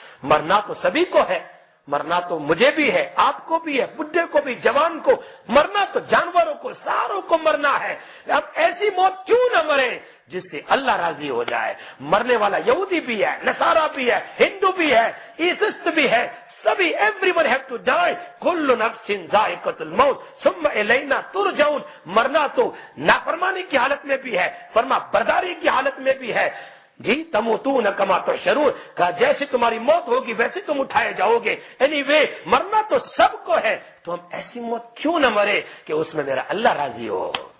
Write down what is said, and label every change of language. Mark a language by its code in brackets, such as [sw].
[ur] مرنا تو سبھی کو ہے, مرنا تو مجھے بھی ہے, آپ کو بھی ہے, بڈھے کو بھی, جوان کو مرنا, تو جانوروں کو, ساروں کو مرنا ہے. اب ایسی موت کیوں نہ مرے جس سے اللہ راضی ہو جائے. مرنے والا یہودی بھی ہے, نصارا بھی ہے, ہندو بھی ہے, عیسائی بھی ہے, سبھی, [en] Everyone have to die. [ar] کل نفس ذائقت الموت ثم الینا ترجعون. [ur] مرنا تو نافرمانی کی حالت میں بھی ہے, فرما برداری کی حالت میں بھی ہے. [ar] جی تموتون کما تحشرون, [ur] کہا جیسے تمہاری موت ہوگی ویسے تم اٹھائے جاؤ گے. anyway, مرنا تو سب کو ہے, تو ہم ایسی موت کیوں نہ مرے کہ اس میں میرا اللہ راضی ہو.